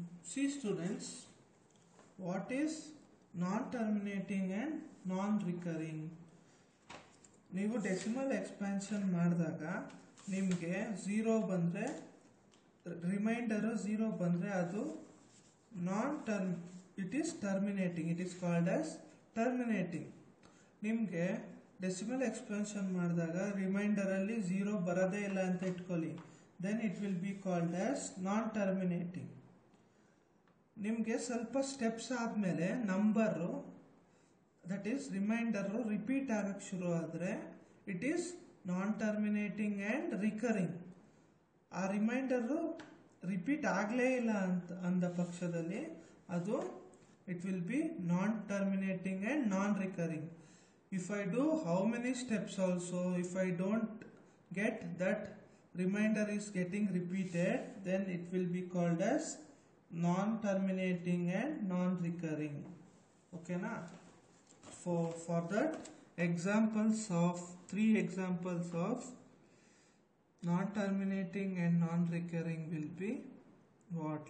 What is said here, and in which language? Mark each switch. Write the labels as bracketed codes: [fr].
[en] See students, what is non-terminating and non-recurring? [kn] ನೀವು decimal expansion ಮಾಡಿದಾಗ ನಿಮಗೆ ಝೀರೋ ಬಂದರೆ, ರಿಮೈಂಡರ್ ಝೀರೋ ಬಂದರೆ ಅದು ನಾನ್ term, [en] It is terminating, it is called as terminating. [kn] ನಿಮಗೆ ಡೆಸಿಮಲ್ ಎಕ್ಸ್ಪ್ಯಾನ್ಷನ್ ಮಾಡಿದಾಗ ರಿಮೈಂಡರಲ್ಲಿ ಝೀರೋ ಬರೋದೇ ಇಲ್ಲ ಅಂತ ಇಟ್ಕೊಳ್ಳಿ, [en] Then it will be called as non terminating. [kn] ನಿಮಗೆ ಸ್ವಲ್ಪ ಸ್ಟೆಪ್ಸ್ ಆದಮೇಲೆ number, that is reminder repeat ಆಗಕ್ಕೆ ಶುರು ಆದರೆ [en] It is non terminating and recurring. [kn] ಆ ರಿಮೈಂಡರು ರಿಪೀಟ್ ಆಗಲೇ ಇಲ್ಲ ಅಂತ ಅಂದ ಪಕ್ಷದಲ್ಲಿ ಅದು [en] It will be non terminating and non recurring. If I do how many steps also, if I don't get that remainder is getting repeated, then it will be called as non terminating and non recurring. [kn] ಓಕೆನಾ? [en] For that, examples of, three examples of non-terminating and non-recurring will be what?